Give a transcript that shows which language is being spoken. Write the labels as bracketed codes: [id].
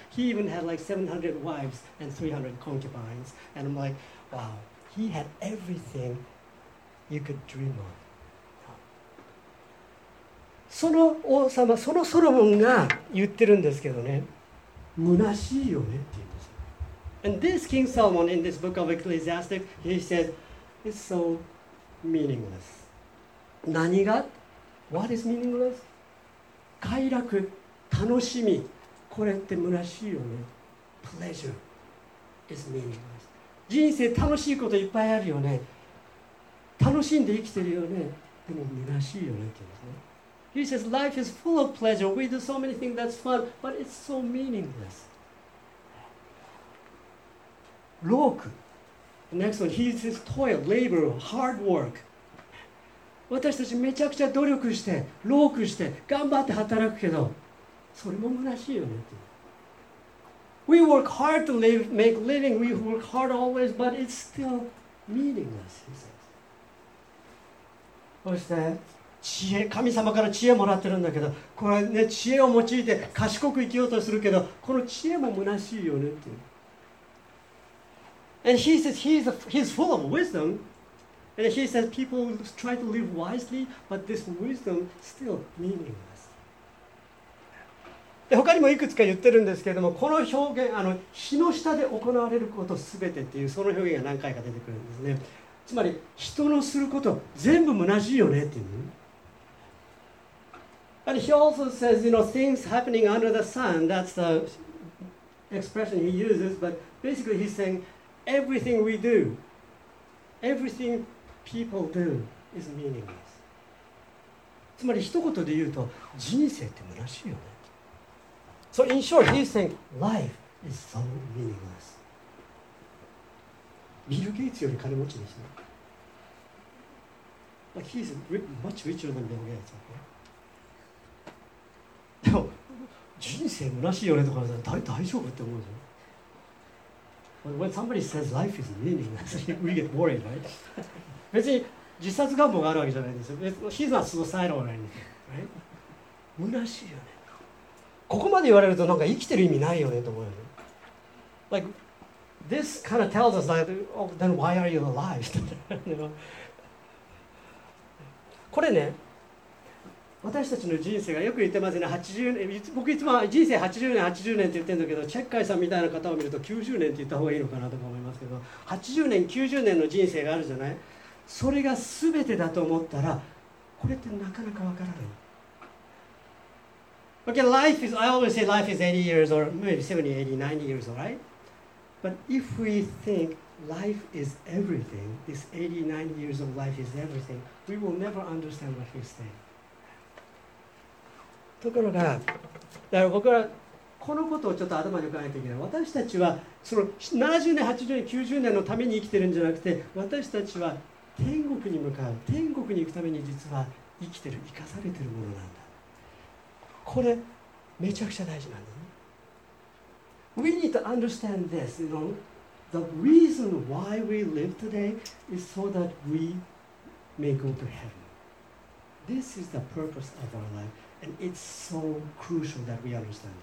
[en] He even had like 700 wives and 300 concubines. And I'm like, wow, he had everything you could dream of. [ja] その王様、そのソロモンが言ってるんですけどね、虚しいよねって言うんですよ。 [en] And this King Solomon in this book of Ecclesiastes, he said, it's so meaningless. [ja] 何が [en] What is meaningless? [ja] 快楽、楽しみ、これって虚しいよね。 [en] Pleasure is meaningless. [ja] 人生楽しいこといっぱいあるよね。楽しんで生きてるよね。でも虚しいよねって言うんですね。 [en] He says, life is full of pleasure. We do so many things that's fun, but it's so meaningless. Work. The next one, he says, toil, labor, hard work. [ja] 私たちめちゃくちゃ努力して、労苦して、頑張って働くけど、それも虚しいよねって。 [en] We work hard to live, make living. We work hard always, but it's still meaningless, he says. [ja] そして知恵、神様から知恵もらってるんだけど、これね、知恵を用いて賢く生きようとするけど、この知恵も虚しいよねって。 [en] And he says he's full of wisdom. And he says people try to live wisely, but this wisdom still meaningless. [ja] で、他にもいくつか言ってるんですけれども、この表現、日の下で行われることすべてっていう、その表現が何回か出てくるんですね。つまり、人のすること全部虚しいよねっていう。 [en] And he also says, you know, things happening under the sun, that's the expression he uses, but basically he's saying everything we do, everything people do is meaningless. [ja] つまり一言で言うと、人生って虚しいよね。 [en] So in short, he's saying life is so meaningless. [ja] ビル・ゲイツより金持ちですね。 [en] Like he's much richer than Bill Gates, okay? [ja] 人生虚しいよねとか言ったら大丈夫って思うじゃん。 [en] When somebody says life is meaningless, we get worried, right? [ja] 別に自殺願望があるわけじゃないんですよ。 [en] He's not suicidal or anything, right? [ja] 虚しいよね。ここまで言われるとなんか生きてる意味ないよねと思うよね。 [en] Like, this kind of tells us that, oh, then why are you alive? you know? [ja] これね、私たちの人生がよく言ってますね。 80年、僕いつも人生80年80年って言ってるんだけど、チェッカイさんみたいな方を見ると90年って言った方がいいのかなとか思いますけど、80年90年の人生があるじゃない。それが全てだと思ったら、これってなかなかわからない。 [en] Okay, life is, I always say life is 80 years or maybe 70, 80, 90 years, right? But if we think life is everything, this 80, 90 years of life is everything, we will never understand what he's saying. [ja] ところが、だから僕はこのことをちょっと頭に浮かべていけない。私たちはその70年、80年、90年のために生きてるんじゃなくて、私たちは天国に向かう、天国に行くために実は生きてる、生かされてるものなんだ。これめちゃくちゃ大事なんだね。 [en] We need to understand this, you know, the reason why we live today is so that we may go to heaven. This is the purpose of our lifeAnd it's so crucial that we understand this.